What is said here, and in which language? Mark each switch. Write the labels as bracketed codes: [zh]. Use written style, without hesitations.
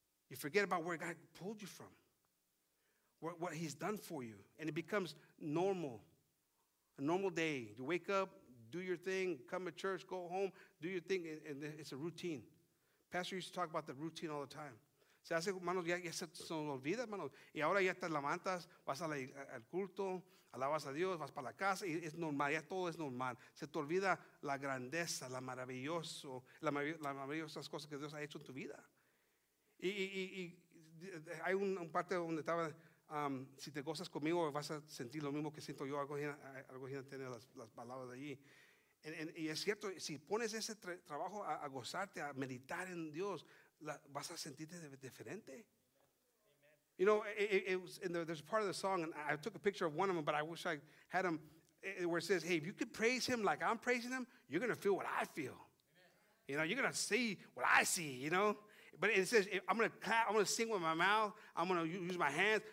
[en] You forget about where God pulled you from, what he's done for you. And it becomes normal, a normal day. You wake up, do your thing, come to church, go home, do your thing, and it's a routine. Pastor used to talk about the routine all the time. [es] Se hace, hermanos, ya se olvida, hermanos. Y ahora ya te levantas, vas al culto, alabas a Dios, vas para la casa, y es normal, ya todo es normal. Se te olvida la grandeza, la maravillosas cosas que Dios ha hecho en tu vida. Y hay un parte donde estaba, si te gozas conmigo, vas a sentir lo mismo que siento yo, algo que tiene las palabras de allí. Y es cierto, si pones ese trabajo a gozarte, a meditar en Dios, vas a sentirte diferente. [en] Amen. You know, there's a part of the song, and I took a picture of one of them, but I wish I had them, where it says, hey, if you could praise him like I'm praising him, you're going to feel what I feel. Amen. You know, you're going to see what I see, you know. But it says, I'm going to clap, I'm going to sing with my mouth, I'm going to use my hands.